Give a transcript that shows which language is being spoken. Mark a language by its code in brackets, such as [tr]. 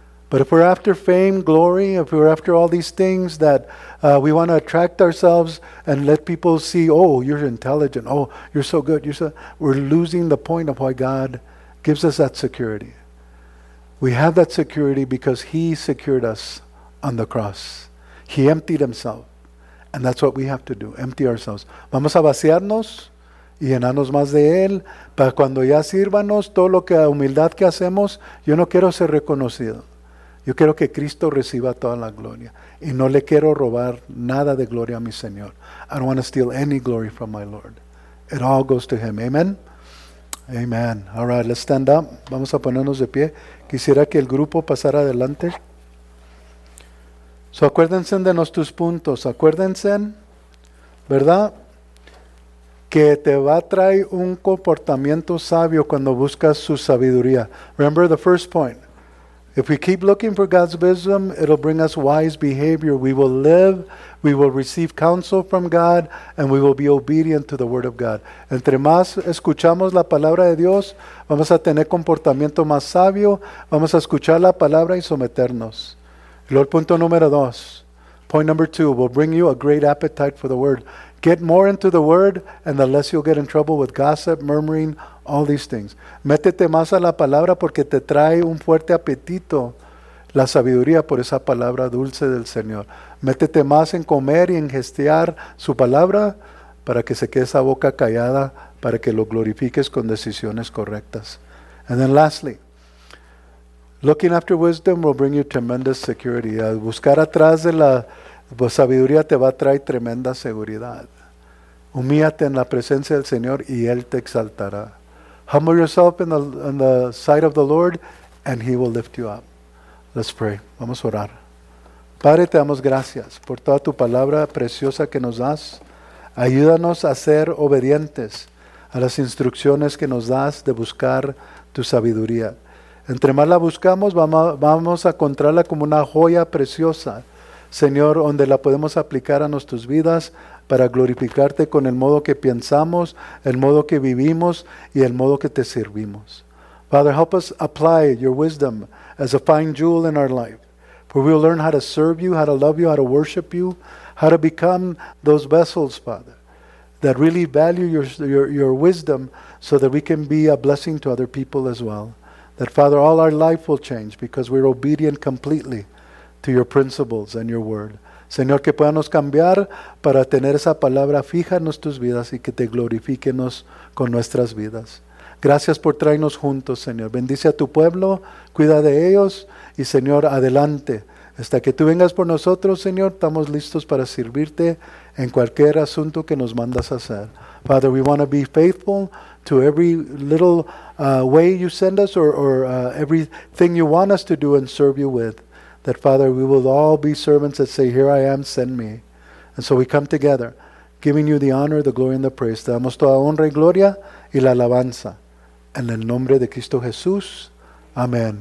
[en] But if we're after fame, glory, if we're after all these things that we want to attract ourselves and let people see, oh, you're intelligent, oh, you're so good, we're losing the point of why God gives us that security. We have that security because He secured us on the cross. He emptied Himself. And that's what we have to do, empty ourselves. [es] Vamos a vaciarnos y llenarnos más de Él para cuando ya sírvanos todo lo que la humildad que hacemos, yo no quiero ser reconocido. Yo quiero que Cristo reciba toda la gloria. Y no le quiero robar nada de gloria a mi Señor. [en] I don't want to steal any glory from my Lord. It all goes to Him. Amen. Amen. All right, let's stand up. [es] Vamos a ponernos de pie. Quisiera que el grupo pasara adelante. So acuérdense de nuestros puntos. Acuérdense, ¿verdad? Que te va a traer un comportamiento sabio cuando buscas su sabiduría. [en] Remember the first point. If we keep looking for God's wisdom, it'll bring us wise behavior. We will live, we will receive counsel from God, and we will be obedient to the word of God. [es] Entre más escuchamos la palabra de Dios, vamos a tener comportamiento más sabio, vamos a escuchar la palabra y someternos. Luego el punto número dos. [en] Point number two will bring you a great appetite for the word. Get more into the word, and the less you'll get in trouble with gossip, murmuring, all these things. [es] Métete más a la palabra porque te trae un fuerte apetito la sabiduría por esa palabra dulce del Señor. Métete más en comer y en gestear su palabra para que se quede esa boca callada, para que lo glorifiques con decisiones correctas. [en] And then lastly, looking after wisdom will bring you tremendous security. [es] Buscar atrás de la sabiduría te va a traer tremenda seguridad. Humíllate en la presencia del Señor y Él te exaltará. [en] Humble yourself in the sight of the Lord, and He will lift you up. Let's pray. [es] Vamos a orar. Padre, te damos gracias por toda tu palabra preciosa que nos das. Ayúdanos a ser obedientes a las instrucciones que nos das de buscar tu sabiduría. Entre más la buscamos, vamos a encontrarla como una joya preciosa, Señor, donde la podemos aplicar a nuestras vidas, para glorificarte con el modo que pensamos, el modo que vivimos y el modo que te servimos. [en] Father, help us apply your wisdom as a fine jewel in our life, for we will learn how to serve you, how to love you, how to worship you, how to become those vessels, Father, that really value your wisdom so that we can be a blessing to other people as well. That, Father, all our life will change because we're obedient completely to your principles and your word. [es] Señor, que podamos cambiar para tener esa palabra fija en nuestras vidas y que te glorifiquemos con nuestras vidas. Gracias por traernos juntos, Señor. Bendice a tu pueblo, cuida de ellos y, Señor, adelante. Hasta que tú vengas por nosotros, Señor, estamos listos para servirte en cualquier asunto que nos mandas hacer. [en] Father, we want to be faithful to every little way you send us or everything you want us to do and serve you with. That, Father, we will all be servants that say, here I am, send me. And so we come together, giving you the honor, the glory, and the praise. [es] Te damos toda honra y gloria y la alabanza. En el nombre de Cristo Jesús. Amén.